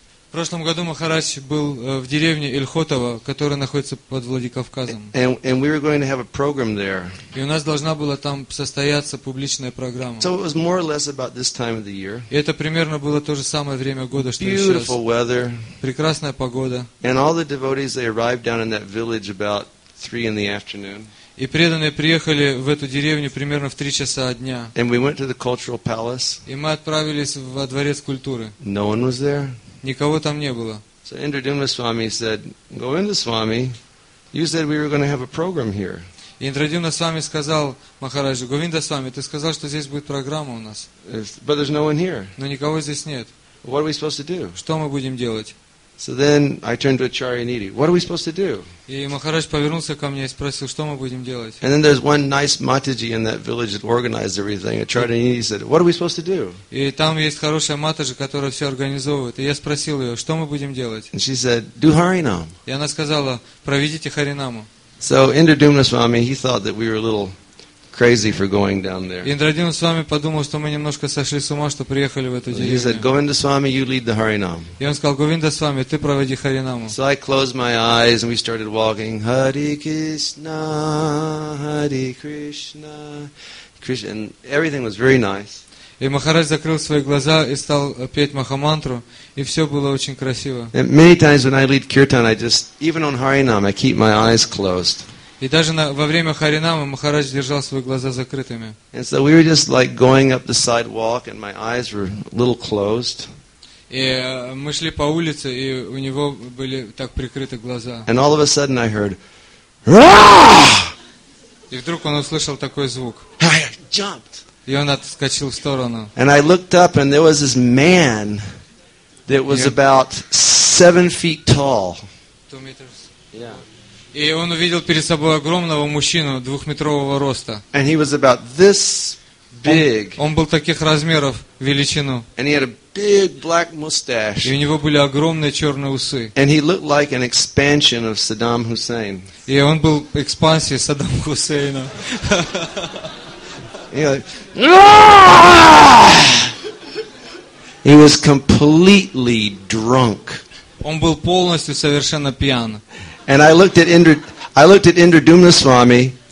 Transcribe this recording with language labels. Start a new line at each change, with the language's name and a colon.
Russian: В прошлом году Махарадж был в деревне Ильхотова, которая находится под Владикавказом.
English: And we were going to have a program there.
Russian: И у нас должна была там состояться публичная программа.
English: So it was more or less about this time of the year.
Russian: И это примерно было то же самое время года, что
English: Beautiful
Russian: и сейчас.
English: Weather.
Russian: Прекрасная погода.
English: And all the devotees, they arrived down in that village about 3 in the afternoon.
Russian: И преданные приехали в эту деревню примерно в 3 часа дня.
English: And we went to the cultural palace.
Russian: И мы отправились во дворец культуры.
English: No one was there.
Russian: Никого там не было.
English: So Indradyumna Swami said, Govinda Swami, you said we were going to have a program here.
Russian: Indradyumna Swami сказал Махараджу, Говинда Свами, ты сказал, что здесь будет программа у нас.
English: But there's no one here.
Russian: Но никого здесь нет.
English: What are we supposed to do?
Russian: Что мы будем делать?
English: So then I turned to Acharya Niti. What are we supposed to do?
Russian: И Махарадж повернулся ко мне и спросил, что мы будем делать?
English: And then there's one nice Mataji in that village that organized everything. Acharya Niti said, What are we supposed to do?
Russian: И там есть хорошая Матаджи, которая все организовывает. И я спросил ее, что мы будем делать?
English: And she said, Do Харинам.
Russian: И она сказала, проведите Харинаму.
English: So Indradyumna Swami, he thought that we were a little crazy for going down there.
Russian: Индрадюмна Свами подумал, что мы немножко сошли с ума, что приехали в эту деревню.
English: He said, Govinda Swami, you lead the Harinam.
Russian: И он сказал, Говинда Свами, ты проведи Харинаму.
English: So I closed my eyes and we started walking.
Sanskrit: Hare Krishna, Hare Krishna, Krishna.
English: And everything was very nice.
Russian: И Махарадж закрыл свои глаза и стал петь Махамантру, и все было очень красиво.
English: And many times when I lead Kirtan, I just, even on Harinam, I keep my eyes closed.
Russian: И даже во время Харинама Махарадж держал свои глаза закрытыми.
English: And so we were just like going up the sidewalk and my eyes were a little closed.
Russian: И мы шли по улице, и у него были так прикрыты глаза.
English: And all of a sudden I heard, Rah!
Russian: И вдруг он услышал такой звук.
English: I jumped.
Russian: И он отскочил в сторону.
English: And I looked up and there was this man that was about 7 feet tall. 2 meters. Yeah.
Russian: И он увидел перед собой огромного мужчину 2-метрового роста.
English: And he was about this big.
Russian: Он был таких размеров, величину.
English: And he had a big black mustache.
Russian: И у него были огромные черные усы.
English: And he looked like an expansion of Saddam Hussein.
Russian: И он был экспансией Саддама Хусейна.
English: He was completely drunk.
Russian: Он был полностью совершенно пьян.
English: And I looked at Indradyumna Swami.